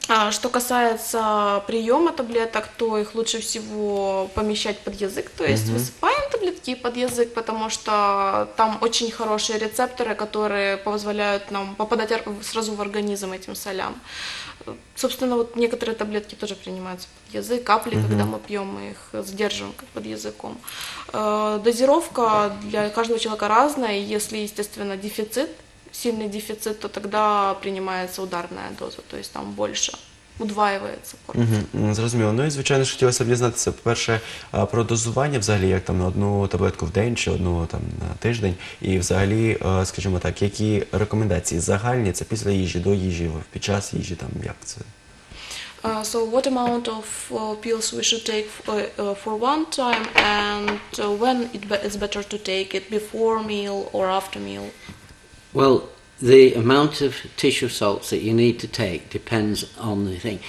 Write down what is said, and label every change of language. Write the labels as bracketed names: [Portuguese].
[Russian] Что касается приема таблеток, то их лучше всего помещать под язык, то есть высыпаем таблетки под язык, потому что там очень хорошие рецепторы, которые позволяют нам попадать сразу в организм этим солям. Собственно, вот некоторые таблетки тоже принимаются под язык, капли, когда мы пьем, мы их задерживаем под языком. Дозировка для каждого человека разная, если, естественно, дефицит, [Ukrainian] сильний дефіцит, то тоді приймається ударна доза, тобто там більше. [Russian] удваивается. [Ukrainian] Зрозуміло. Ну і, звичайно, хотілося б дізнатися, по-перше, про дозування взагалі, як там на одну таблетку в день чи одну там на тиждень. І взагалі, скажімо так, які рекомендації загальні, це після їжі, до їжі, під час їжі, там як це? [English] So what amount of pills we should take for one time and when it's better to take it, before meal or after meal? Well, the amount of tissue salts that you need to take depends on the thing.